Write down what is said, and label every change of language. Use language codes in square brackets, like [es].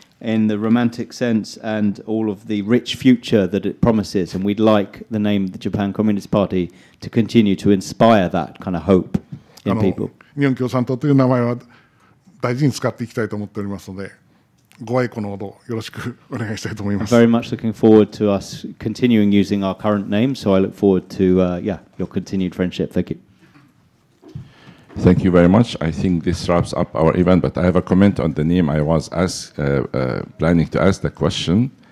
[en] In the romantic sense and all of the rich future that it promises, and we'd like the name of the Japan Communist Party to continue to inspire that kind of hope in people. [ja] 日本共産党という名前は大事に使っていきたいと思っておりますので、ご愛顧のほどよろしくお願いしたいと思います。 [en] I'm very much looking forward to us continuing using our current name, so I look forward to your continued friendship. Thank you. Thank you very much. I think this wraps up our event, but I have a comment on the name. I was planning to ask the question.